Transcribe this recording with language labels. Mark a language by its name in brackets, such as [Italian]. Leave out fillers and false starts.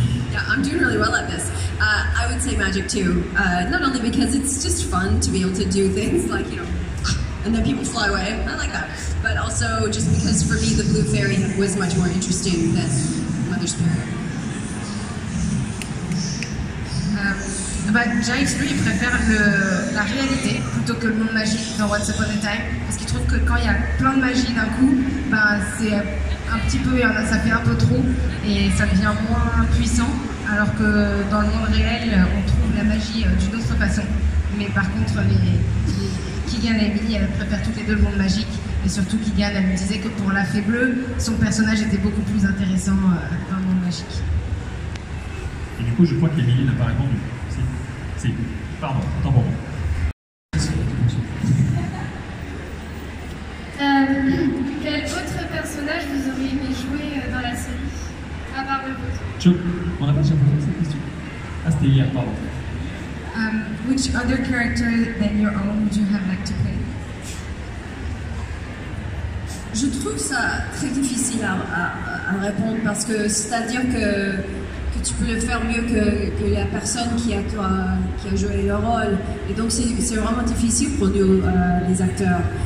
[English] Yeah, I'm doing really well at this. I would say magic too. Not only because it's just fun to be able to do things like, you know, and then people fly away. I like that. But also just because for me the blue fairy was much more interesting than Mother Spirit. [French] Bah, Jax, lui, il préfère la réalité plutôt que le monde magique dans Once Upon a Time. Parce qu'il trouve que quand il y a plein de magie d'un coup, bah, c'est un petit peu, ça fait un peu trop et ça devient moins puissant. Alors que dans le monde réel, on trouve la magie d'une autre façon. Mais par contre, Keegan et Emily, elles préfèrent toutes les deux le monde magique. Et surtout, Keegan, elle lui disait que pour la fée bleue, son personnage était beaucoup plus intéressant dans le monde magique. Et du coup, je crois qu'Emily n'a pas répondu. Si, pardon, attends pour moi. Quel autre personnage vous auriez aimé jouer dans la série, à part le vôtre? Chou, on a pas déjà posé cette question. Ah, c'était hier, pardon. [English] Which other character than your own would you have liked to play? [French] Je trouve ça très difficile à répondre parce que c'est-à-dire que. Que tu peux le faire mieux que la personne qui a joué le rôle. Et donc c'est vraiment difficile pour nous, les acteurs.